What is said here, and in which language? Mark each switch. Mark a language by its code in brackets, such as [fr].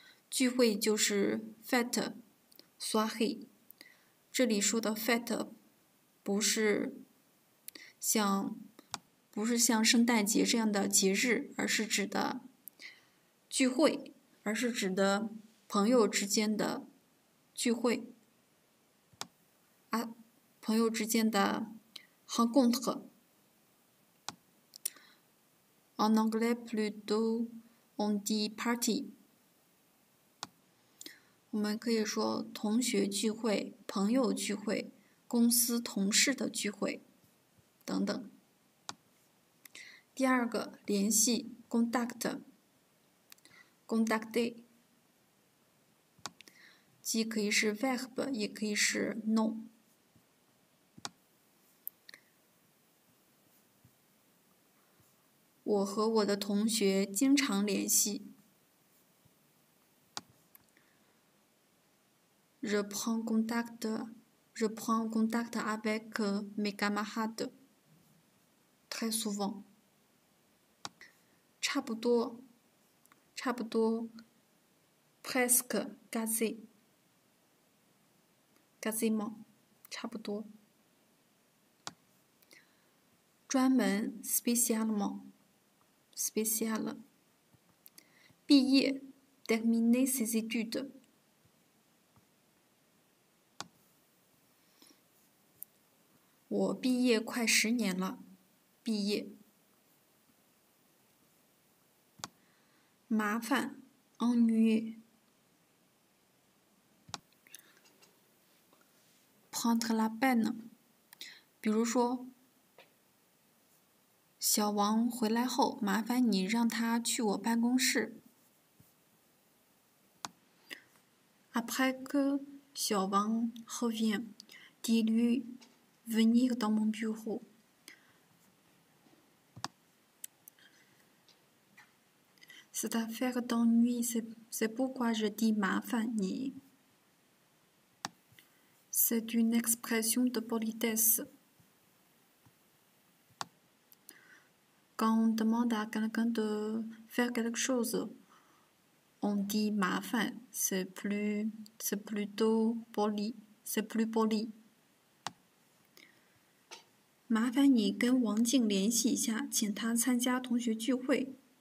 [zh] 聚会就是 [fr] fete soirée， [zh] 这里说的 [fr] fete [zh] 不是像圣诞节这样的节日，而是指的聚会，而是指的朋友之间的聚会啊，朋友之间的 [fr] rencontre。 En anglais, plutôt, on dit party. [zh] 我们可以说同学聚会、朋友聚会、公司同事的聚会等等。第二个，联系 [fr] contact, contacté, [zh] 既可以是 [en] verb, [zh] 也可以是 [fr] nom。 [zh] 我和我的同学经常联系。 [fr] Je prends contact avec mes camarades très souvent. [zh] 差不多 [fr] presque quasiment [zh] 差不多。专门 [fr] spécialement [zh] 毕业 [fr] terminer ses études。 [zh] 我毕业快十年了，毕业。麻烦 [fr] ennuyé。 prendre la peine， [zh] 比如说小王回来后，麻烦你让他去我办公室。 [fr] Après que 小王 revient, dis-lui venir dans mon bureau. [zh] 是他 [fr] faire d'ennui, c'est pourquoi je dis 麻烦你。 C'est une expression de politesse. Quand on demande à quelqu'un de faire quelque chose, on dit 麻烦, c'est plus poli. [zh] 麻烦你跟王静联系一下，请他参加同学聚会。